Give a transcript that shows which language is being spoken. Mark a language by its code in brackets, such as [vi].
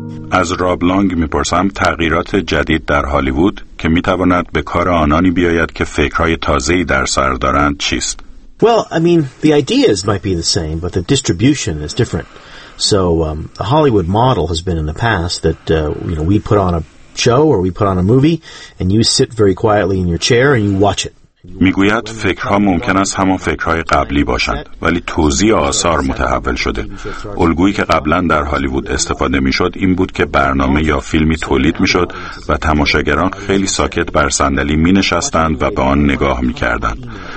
[fa] از راب لانگ میپرسم تغییرات جدید در هالیوود که میتواند به کار آنانی بیاید که فکرهای تازه‌ای در سر دارند چیست؟ [en] Well, I mean, the ideas might be the same, but the distribution is different. So, the Hollywood model has been in the past that, you know, we put on a show or we put on a movie and you sit very quietly in your chair and you watch it. [fa] میگوید فکرها ممکن است همان فکرهای قبلی باشند، ولی توزیع آثار متحول شده. الگویی که قبلا در هالیوود استفاده میشد این بود که برنامه یا فیلمی تولید میشد و تماشاگران خیلی ساکت بر صندلی می نشستند و به آن نگاه می کردند.